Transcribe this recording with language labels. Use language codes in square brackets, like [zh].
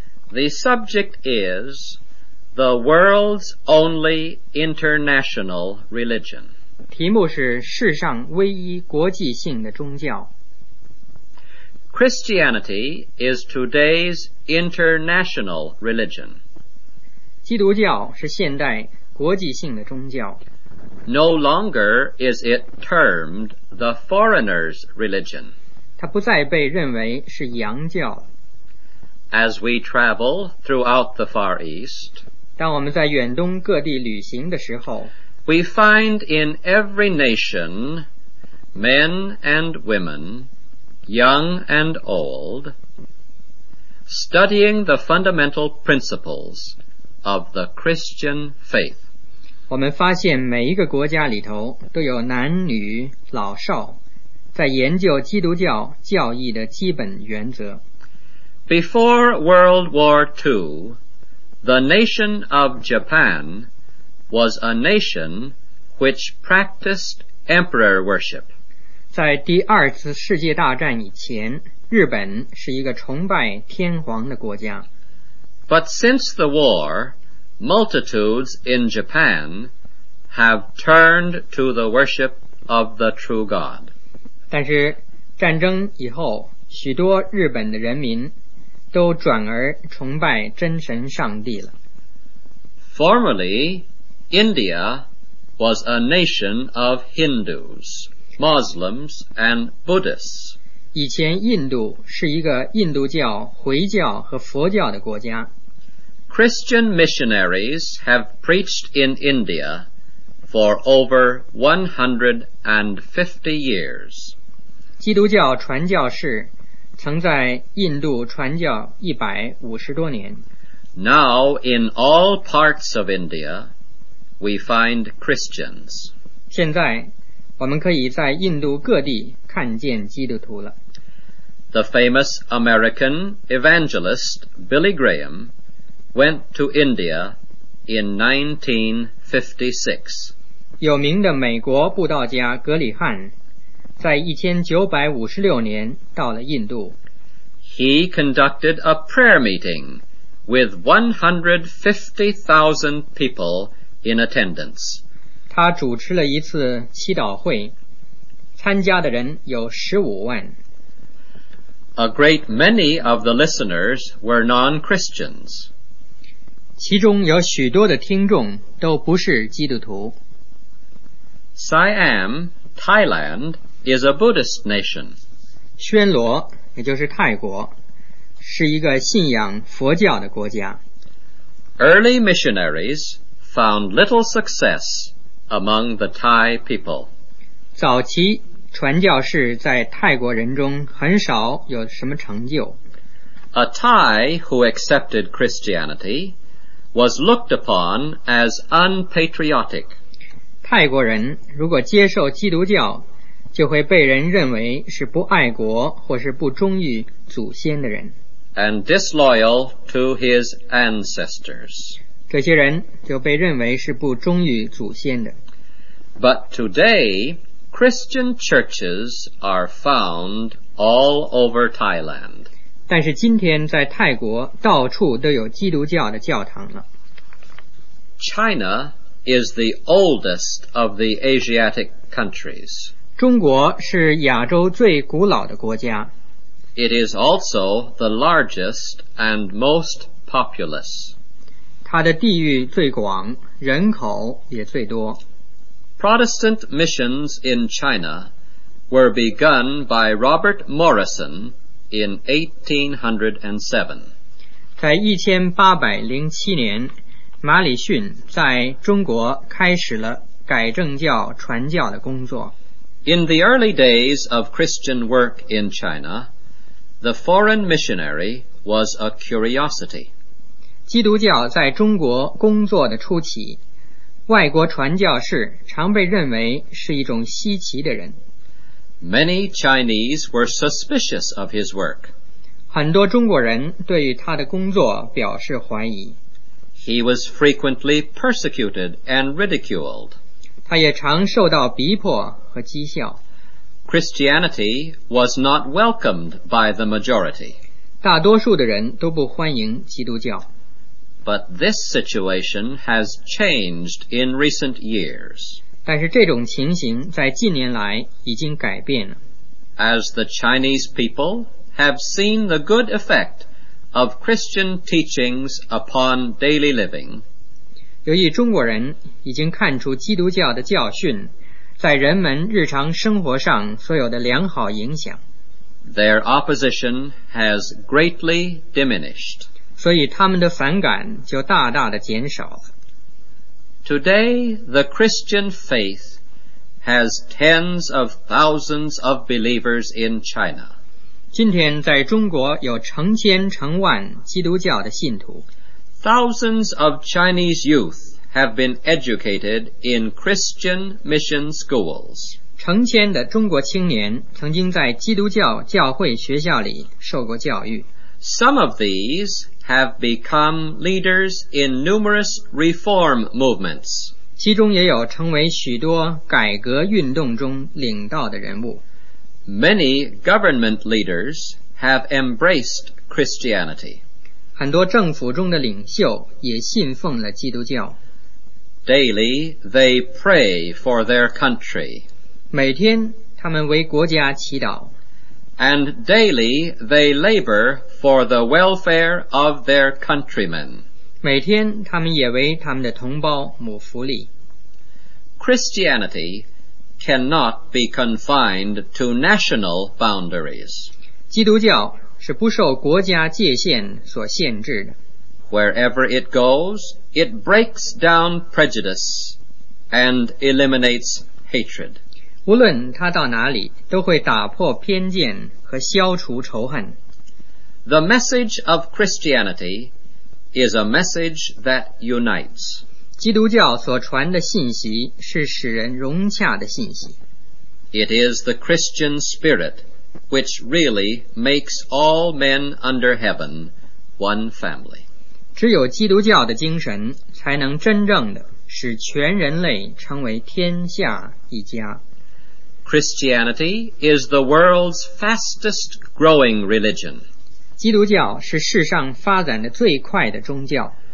[en] The subject is the world's only international religion. [zh] 题目是世上唯一国际性的宗教。 [en] Christianity is today's international religion. [zh] 基督教是现代国际性的宗教。 [en] No longer is it termed the foreigner's religion. [zh] 它不再被认为是洋教。 [en] As we travel throughout the Far East, [zh] 当我们在远东各地旅行的时候， [en] we find in every nation men and women, young and old, studying the fundamental principles of the Christian faith. [zh] 我们发现每一个国家里头都有男女老少在研究基督教教义的基本原则。 [en] Before World War II, the nation of Japan was a nation which practiced emperor worship. [zh] 在第二次世界大战以前，日本是一个崇拜天皇的国家。 [en] But since the war, multitudes in Japan have turned to the worship of the true God. [zh] 但是战争以后，许多日本的人民都转而崇拜真神上帝了。 [en] Formerly, India was a nation of Hindus, Muslims, and Buddhists. [zh] 以前印度是一个印度教、回教和佛教的国家。 [en] Christian missionaries have preached in India for over 150 years. [zh] 基督教传教士曾在印度传教150多年。 [en] Now in all parts of India, we find Christians. [zh] 现在我们可以在印度各地看见基督徒了。 [en] The famous American evangelist Billy Graham went to India in 1956. [zh] 有名的美国布道家格里汉在1956年到了印度。 [en] He conducted a prayer meeting with 150,000 people in attendance. [zh] 他主持了一次祈祷会，参加的人有150,000。 [en] A great many of the listeners were non-Christians. [zh] 其中有许多的听众都不是基督徒。 [en] Siam, Thailand, is a Buddhist nation. [zh] 暹罗，也就是泰国，是一个信仰佛教的国家。 [en] Early missionaries found little success among the Thai people. [zh] 早期传教士在泰国人中很少有什么成就。 [en] A Thai who accepted Christianity was looked upon as unpatriotic. [zh] 泰国人如果接受基督教，就会被人认为是不爱国或是不忠于祖先的人。 [en] And disloyal to his ancestors. [zh] 这些人就被认为是不忠于祖先的。 [en] But today, Christian churches are found all over Thailand. [zh] 但是今天在泰国到处都有基督教的教堂了。 [en] China is the oldest of the Asiatic countries. [zh] 中国是亚洲最古老的国家。 [en] It is also the largest and most populous. [zh] 它的地域最广，人口也最多。 [en] Protestant missions in China were begun by Robert Morrison in 1807. [zh] 在1807年，马里逊在中国开始了改正教传教的工作。 [en] In the early days of Christian work in China, the foreign missionary was a curiosity. [zh] 基督教在中国工作的初期，外国传教士常被认为是一种稀奇的人。 [en] Many Chinese were suspicious of his work. [zh] 很多中国人对于他的工作表示怀疑。 [en] He was frequently persecuted and ridiculed. [zh] 他也常受到逼迫和讥笑。 [en] Christianity was not welcomed by the majority. [zh] 大多数的人都不欢迎基督教。 [en] But this situation has changed in recent years. [zh] 但是这种情形在近年来已经改变了。 [en] As the Chinese people have seen the good effect of Christian teachings upon daily living, [zh] 由于中国人已经看出基督教的教训在人们日常生活上所有的良好影响， [en] their opposition has greatly diminished. [zh] 所以他们的反感就大大的减少了。 [en] Today, the Christian faith has tens of thousands of believers in China. [zh] 今天在中国有成千成万基督教的信徒。 [en] Thousands of Chinese youth have been educated in Christian mission schools. [zh] 成千的中国青年曾经在基督教教会学校里受过教育。 [en] Some of these have become leaders in numerous reform movements. [zh] 其中也有成为许多改革运动中领导的人物。 [en] Many government leaders have embraced Christianity. [zh] 很多政府中的领袖也信奉了基督教。 [en] Daily, they pray for their country. [zh] 每天他们为国家祈祷。 [en] And daily they labor for the welfare of their countrymen. [zh] 每天他们也为他们的同胞谋福利。 [en] Christianity cannot be confined to national boundaries. [zh] 基督教是不受国家界限所限制的。 [en] Wherever it goes, it breaks down prejudice and eliminates hatred. [zh] 无论他到哪里都会打破偏见和消除仇恨。 [en] The message of Christianity is a message that unites. [zh] 基督教所传的信息是使人融洽的信息。 [en] It is the Christian spirit which really makes all men under heaven one family. [zh] 只有基督教的精神才能真正的使全人类成为天下一家。 [en] Christianity is the world's fastest growing religion. [zh] 基督教是世上发展的最快的宗教。